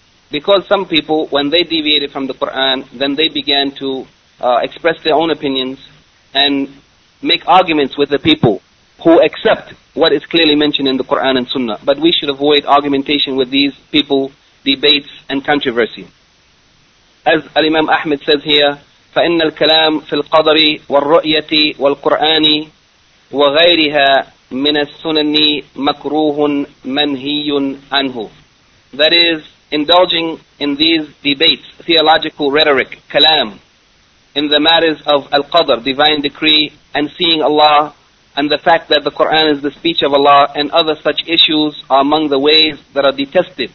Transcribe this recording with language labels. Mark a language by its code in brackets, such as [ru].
[en] Because some people, when they deviated from the Quran, then they began to express their own opinions and make arguments with the people who accept what is clearly mentioned in the Quran and Sunnah. But we should avoid argumentation with these people, debates and controversy. As Al-Imam Ahmed says here, [ar] فَإِنَّ الْكَلَامِ فِي الْقَدْرِ وَالرُّؤْيَةِ وَالْقُرْآنِ وَغَيْرِهَا مِنَ السُّنَنِ مَكْرُوهٌ مَنْهِيٌ عَنْهُ. [en] That is, indulging in these debates, theological rhetoric, kalam, in the matters of al-qadr, divine decree, and seeing Allah, and the fact that the Quran is the speech of Allah, and other such issues are among the ways that are detested.